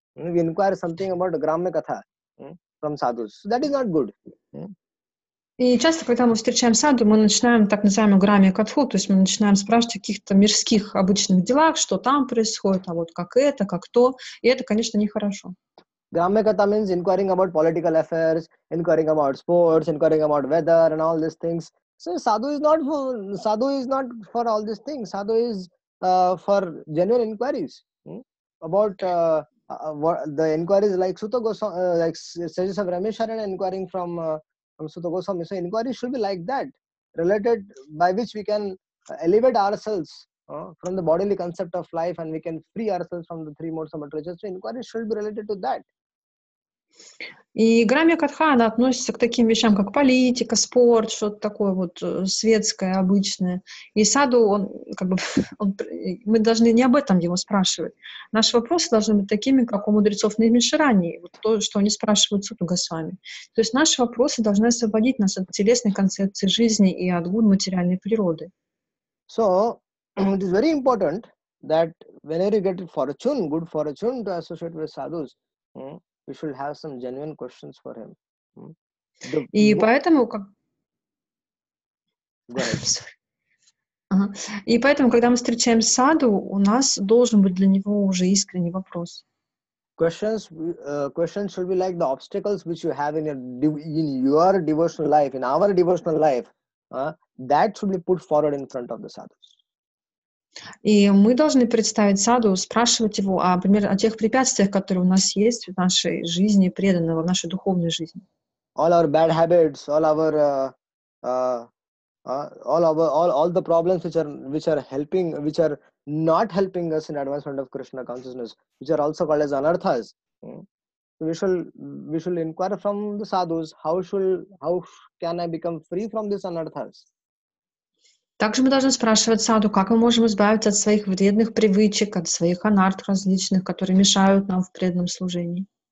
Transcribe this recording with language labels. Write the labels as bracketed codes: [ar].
[en] We inquire something about gramme katha from sadhus. So that is not good. [ru] И часто, когда мы встречаем саду, мы начинаем так называемую грамми катху, то есть мы начинаем спрашивать о каких-то мирских обычных делах, что там происходит, а вот как это, как то, и это, конечно, нехорошо. [en] Грамми катха means inquiring about political affairs, inquiring about sports, inquiring about weather and all these things. So sadhu is not for all these things. Sadhu is for general inquiries about the inquiries like Sutta Goswami, like Sages of Rameshwaran inquiring from Sutta Goswami. So inquiry should be like that, related by which we can elevate ourselves from the bodily concept of life and we can free ourselves from the three modes of material. So inquiry should be related to that. [ru] И грамья катха, она относится к таким вещам, как политика, спорт, что-то такое вот светское, обычное. И саду, он как бы, мы должны не об этом его спрашивать. Наши вопросы должны быть такими, как у мудрецов на Нирмишаране, вот то, что они спрашивают Сутту Госвами. То есть наши вопросы должны освободить нас от телесной концепции жизни и от гун материальной природы. [en] So, it is very important that whenever you get fortune, good fortune to associate with sadhus, we should have some genuine questions for him. [ru] И поэтому, как... [en] Go ahead. [ru] И поэтому, когда мы встречаем саду, у нас должен быть для него уже искренний вопрос. [en] Questions should be like the obstacles which you have in your devotional life, in our devotional life. That should be put forward in front of the sadhus. [ru] И мы должны представить саду, спрашивать его, например, о тех препятствиях, которые у нас есть в нашей жизни преданного, в нашей духовной жизни. [en] All our bad habits, all the problems which are not helping us in advancement of Krishna consciousness, which are also called as anarthas. We should inquire from the sadhus, how can I become free from these anarthas? [ru] Также мы должны спрашивать саду, как мы можем избавиться от своих вредных привычек, от своих анарт различных, которые мешают нам в преданном служении.